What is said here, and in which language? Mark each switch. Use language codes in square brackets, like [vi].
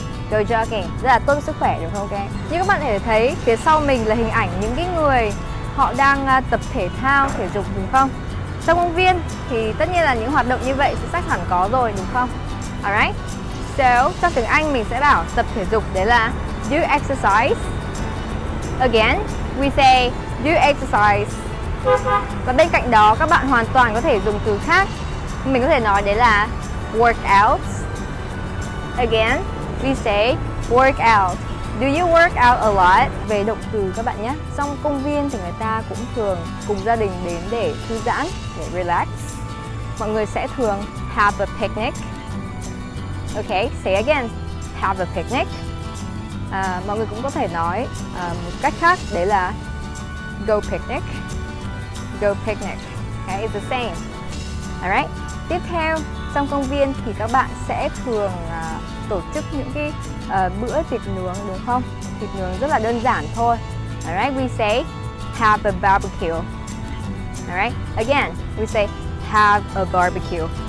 [vi] Go jogging rất là tốt sức khỏe, đúng không? Okay. Như các bạn có thể thấy phía sau mình là hình ảnh những cái người họ đang tập thể thao, thể dục, đúng không? Trong công viên thì tất nhiên là những hoạt động như vậy sẽ chắc hẳn có rồi, đúng không? Alright. So, trong tiếng Anh mình sẽ bảo tập thể dục đấy là do exercise. [en] Again, we say do exercise. [vi] Và bên cạnh đó các bạn hoàn toàn có thể dùng từ khác. Mình có thể nói đấy là work out. [en] Again, we say work out. Do you work out a lot? [vi] Về động từ các bạn nhé. Trong công viên thì người ta cũng thường cùng gia đình đến để thư giãn, để relax. Mọi người sẽ thường [en] have a picnic. Ok, say again, have a picnic. [vi] Mọi người cũng có thể nói một cách khác, đấy là go picnic. [en] Go picnic, okay, it's the same. [vi] Alright, tiếp theo, trong công viên thì các bạn sẽ thường tổ chức những cái bữa tiệc nướng, đúng không? Tiệc nướng rất là đơn giản thôi. Alright, [en] we say have a barbecue. All right. Again, we say have a barbecue.